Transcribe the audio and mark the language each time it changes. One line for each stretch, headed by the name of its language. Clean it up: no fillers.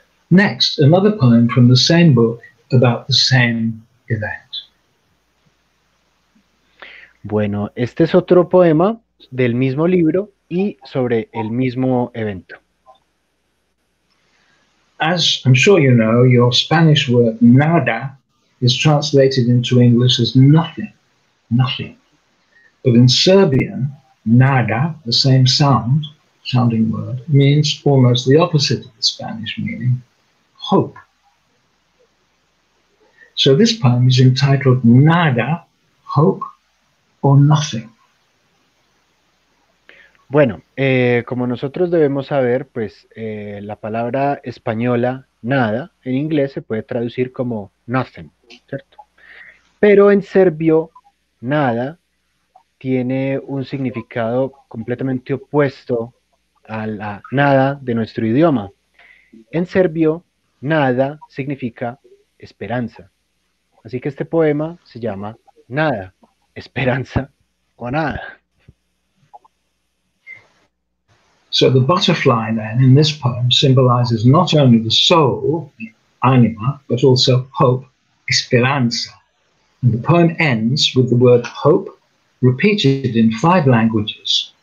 English: Next, another poem from the same book about the same event.
Spanish: Bueno, este es otro poema del mismo libro y sobre el mismo evento.
English: As I'm sure you know, your Spanish word nada is translated into English as nothing, nothing. But in Serbian, nada, the same sound, sounding word, means almost the opposite of the Spanish meaning, hope. So this poem is entitled Nada, Hope or Nothing.
Spanish: Bueno, como nosotros debemos saber, pues la palabra española nada en inglés se puede traducir como nothing, ¿cierto? Pero en serbio, nada tiene un significado completamente opuesto a la nada de nuestro idioma. En serbio, nada significa esperanza. Así que este poema se llama Nada, Esperanza o Nada.
English: So the butterfly then in this poem symbolizes not only the soul, the anima, but also hope, esperanza. And the poem ends with the word hope repeated in five languages.